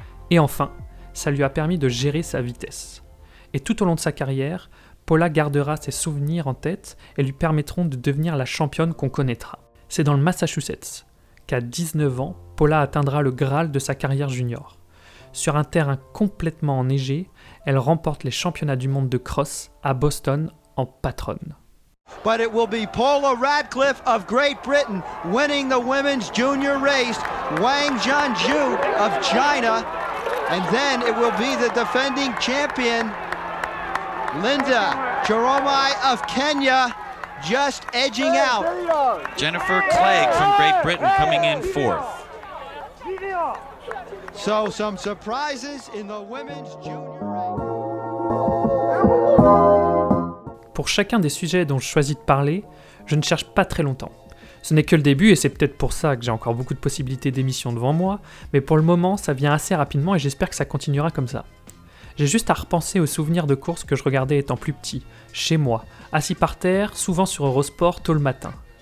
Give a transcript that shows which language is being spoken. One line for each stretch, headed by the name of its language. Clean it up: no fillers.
French: Et enfin, ça lui a permis de gérer sa vitesse. Et tout au long de sa carrière, Paula gardera ses souvenirs en tête et lui permettront de devenir la championne qu'on connaîtra. C'est dans le Massachusetts qu'à 19 ans, Paula atteindra le Graal de sa carrière junior. Sur un terrain complètement enneigé, elle remporte les championnats du monde de cross à Boston en patronne.
English: But it will be Paula Radcliffe of Great Britain winning the women's junior race, Wang Jianzhu of China, and then it will be the defending champion, Linda Jeromai of Kenya, just edging out. Jennifer Clegg from Great Britain coming in fourth. So some surprises in the women's junior race.
French: Pour chacun des sujets dont je choisis de parler, je ne cherche pas très longtemps. Ce n'est que le début et c'est peut-être pour ça que j'ai encore beaucoup de possibilités d'émissions devant moi, mais pour le moment, ça vient assez rapidement et j'espère que ça continuera comme ça. J'ai juste à repenser aux souvenirs de courses que je regardais étant plus petit, chez moi, assis par terre, souvent sur Eurosport, tôt le matin.